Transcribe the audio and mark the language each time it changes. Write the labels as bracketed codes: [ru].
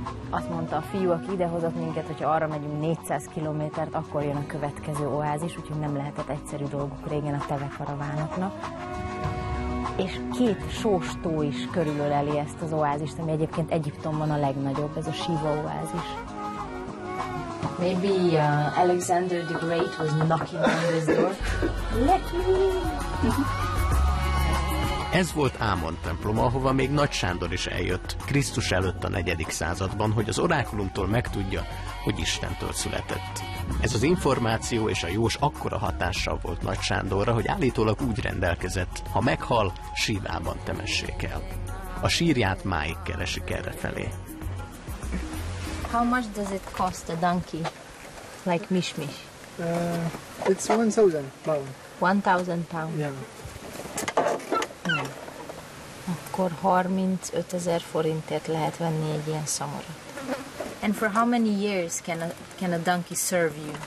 [hu] azt mondta a fiú, aki idehozott minket, hogy ha arra megyünk 400 kilométert, akkor jön a következő oázis, úgyhogy nem lehetett egyszerű dolguk régen a tevekaravánoknak. És két sós tó is körülöleli ezt az oázist, ami egyébként Egyiptomban a legnagyobb, ez a Shiva oázis. [en] Maybe Alexander the Great was knocking on this door. Let me in! [hu] Ez volt Ámon temploma, ahova még Nagy Sándor is eljött Krisztus előtt a 4. században, hogy az orákulumtól megtudja, hogy Istentől született. Ez az információ és a jós akkora hatással volt Nagy Sándorra, hogy állítólag úgy rendelkezett, ha meghal, Shivában temessék el. A sírját máig keresik erre felé. [en] How much does it cost a donkey? Like mishmish? It's 1,000 pounds. 1,000 pounds? Yeah. [hu] Akkor 35,000 forintért lehet venni egy ilyen szamarat. [en] And for how many years can a donkey serve you?